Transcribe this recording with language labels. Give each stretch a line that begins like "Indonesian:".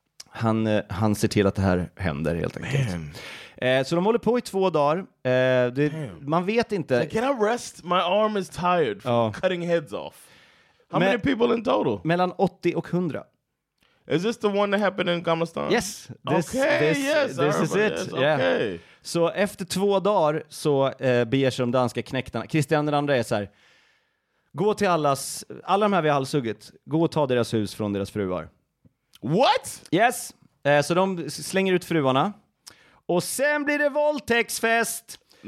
Swedish: Han ser till att det här händer helt enkelt. Så de håller på i två dagar. Man vet inte.
English: Can I rest? My arm is tired from cutting heads off. How many people in total?
Swedish: Mellan 80 och 100.
English: Is this the one that happened in Gamla stan? Yes. This is it. Yeah. Okay.
Swedish: Så efter två dagar så beger sig de danska knäktarna. Christian den andra är så här. Gå till alla de här vi har halshuggit. Gå och ta deras hus från deras fruar.
English: What? Yes.
Swedish: Så de slänger ut fruarna. Och sen blir det våldtäktsfest.